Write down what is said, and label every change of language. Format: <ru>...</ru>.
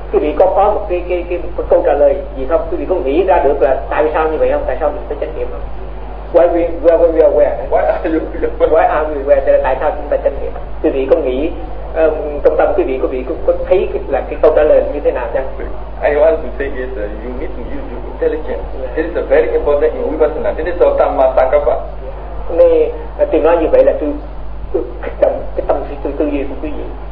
<vi>Quý vị có một cái câu trả lời gì không? Quý vị có nghĩ ra được là tại sao như vậy không? Tại sao mình phải chánh niệm không?</vi> <en>Why are we aware?</en> <vi>Là tại sao chúng ta chánh niệm? Quý vị có nghĩ trong tâm quý vị có thấy là cái câu trả lời như thế nào chăng?</vi> <en>I want to say is you need to use your intelligence. Yeah. This is a very important in vipassana. This is your tamma sankappa.</en> <vi>Nên tôi nói như vậy là tôi kích động cái tâm trí tư duy của quý vị.</vi>